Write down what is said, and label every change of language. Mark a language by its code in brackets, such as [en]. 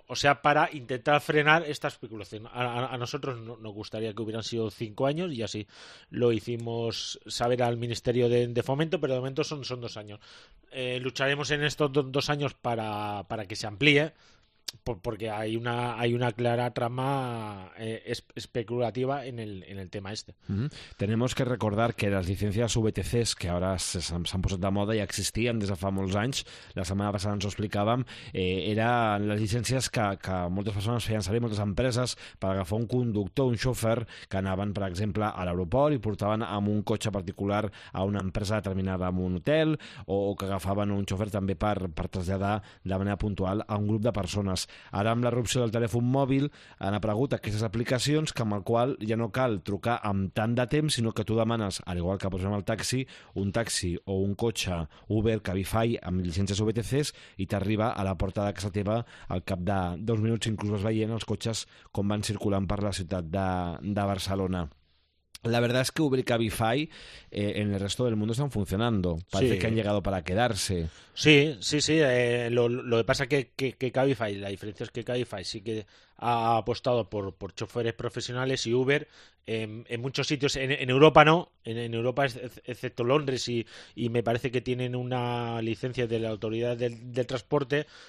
[es] O sea, para intentar frenar esta especulación. A nosotros nos gustaría que hubieran sido 5 años, y así lo hicimos saber al Ministerio de Fomento, pero de momento son 2 años. Lucharemos en estos 2 años para que se amplíe, porque hay una clara trama especulativa en el tema este. Mm-hmm. Tenemos que recordar que las licencias VTCs, que ahora se han [ca] posat de moda i existien des de fa molts anys, la setmana passada ens ho explicàvem, eren les llicències que moltes persones feien servir, moltes empreses, per agafar un conductor, un xofer, que anaven, per exemple, a l'aeroport i portaven amb un cotxe particular a una empresa determinada en un hotel, o que agafaven un xofer també per traslladar de manera puntual a un grup de persones. Ara, amb l'erupció del telèfon mòbil, han aparegut aquestes aplicacions que amb el qual ja no cal trucar amb tant de temps, sinó que tu demanes, al igual que posem el taxi, un taxi o un cotxe Uber, Cabify, amb llicències VTCs, i t'arriba a la porta de casa teva al cap de 2 minuts, inclús vas veient els cotxes com van circulant per la ciutat de Barcelona. [es] La verdad es que Uber y Cabify en el resto del mundo están funcionando. Parece que han llegado para quedarse. Sí, sí, sí. Lo que pasa es que Cabify, la diferencia es que Cabify sí que ha apostado por choferes profesionales, y Uber en muchos sitios, en Europa no, en Europa excepto Londres, y me parece que tienen una licencia de la Autoridad del Transporte.